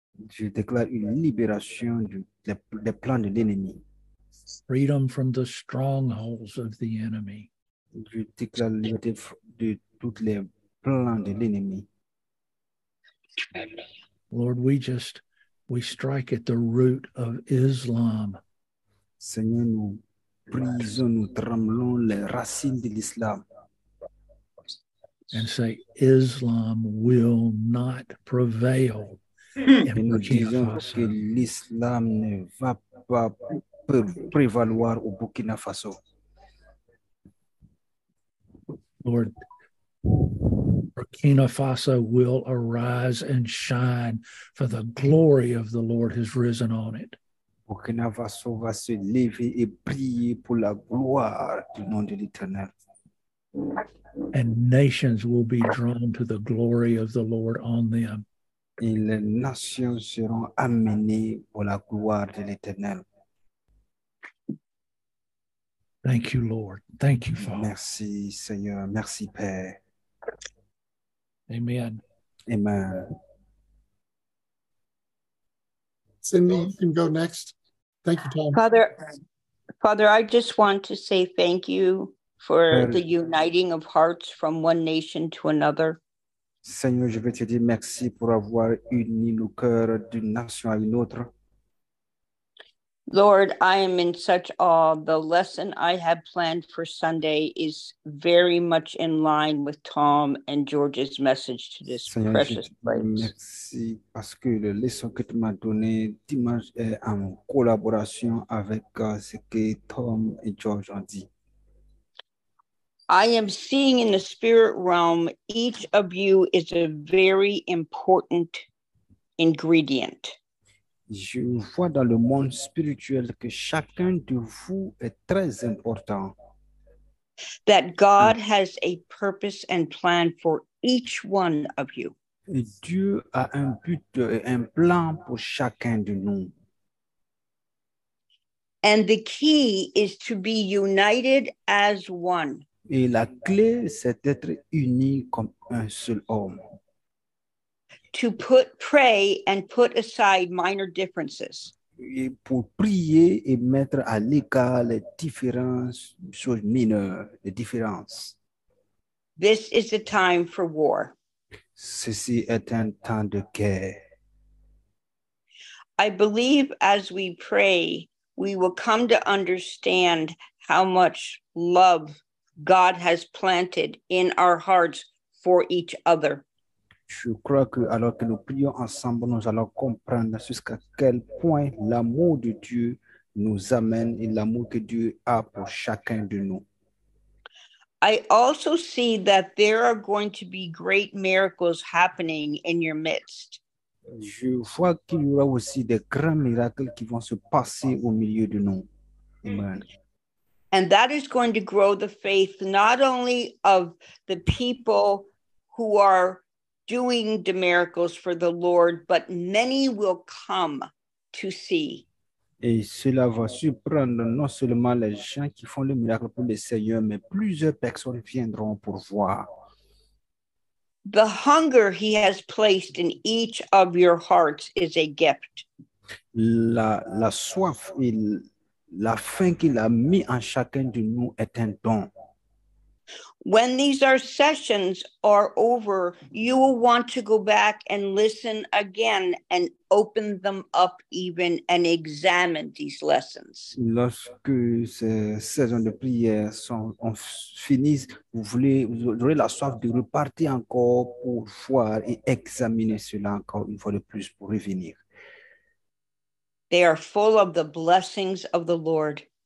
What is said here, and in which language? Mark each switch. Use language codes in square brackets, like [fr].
[fr] Je déclare une libération des plans de l'ennemi. [en] Freedom from the strongholds of the enemy. [fr] Je déclare la liberté de tous les plans de l'ennemi. [en] Lord, we strike at the root of Islam. [fr] Seigneur, nous brisons, nous tremblons les racines de l'islam. [en] And say, Islam will not prevail. [fr] Et nous disons que l'islam ne va pas prévaloir au Burkina Faso. [en] Lord, Burkina Faso will arise and shine, for the glory of the Lord has risen on it. [fr] Burkina Faso va se lever et briller pour la gloire du nom de l'Éternel. [en] And nations will be drawn to the glory of the Lord on them. [fr] Et les nations seront amenées pour la gloire de l'Éternel. [en] Thank you, Lord. Thank you, Father. [fr] Merci, Seigneur. Merci, Père. Amen. Amen. [en] Cindy, you can go next. Thank you, Tom. Father, I just want to say thank you for the uniting of hearts from one nation to another. [fr] Seigneur, je veux te dire merci pour avoir uni nos cœurs d'une nation à une autre. [en] Lord, I am in such awe. The lesson I have planned for Sunday is very much in line with Tom and George's message to this [fr] Seigneur, [en] precious place. [fr] Merci parce que la leçon que tu m'as donnée dimanche est en collaboration avec ce que Tom et George ont dit. [en] I am seeing in the spirit realm, each of you is a very important ingredient. [fr] Je vois dans le monde spirituel que chacun de vous est très important. [en] That God has a purpose and plan for each one of you. [fr] Et Dieu a un but et un plan pour chacun de nous. [en] And the key is to be united as one. [fr] Et la clé, c'est d'être uni comme un seul homme. [en] To pray and put aside minor differences. [fr] Et pour prier et mettre à l'écart les différences, choses mineures, les différences. [en] This is a time for war. [fr] Ceci est un temps de guerre. [en] I believe as we pray, we will come to understand how much love God has planted in our hearts for each other. [fr] Je crois que alors que nous prions ensemble, nous allons comprendre jusqu'à quel point l'amour de Dieu nous amène et l'amour que Dieu a pour chacun de nous. [en] I also see that there are going to be great miracles happening in your midst. [fr] Je vois qu'il y aura aussi des grands miracles qui vont se passer au milieu de nous. Amen. [en] And that is going to grow the faith not only of the people who are doing the miracles for the Lord, but many will come to see. [fr] Et cela va surprendre non seulement les gens qui font le miracle pour le Seigneur, mais plusieurs personnes viendront pour voir. [en] The hunger he has placed in each of your hearts is a gift. [fr] La soif et la faim qu'il a mis en chacun de nous est un don. [en] When these are sessions are over, you will want to go back and listen again and open them up even and examine these lessons. [fr] Lorsque ces saisons de prière finissent, vous aurez la soif de repartir encore pour voir et examiner cela encore une fois de plus pour revenir. [en] They are full of the blessings of the Lord.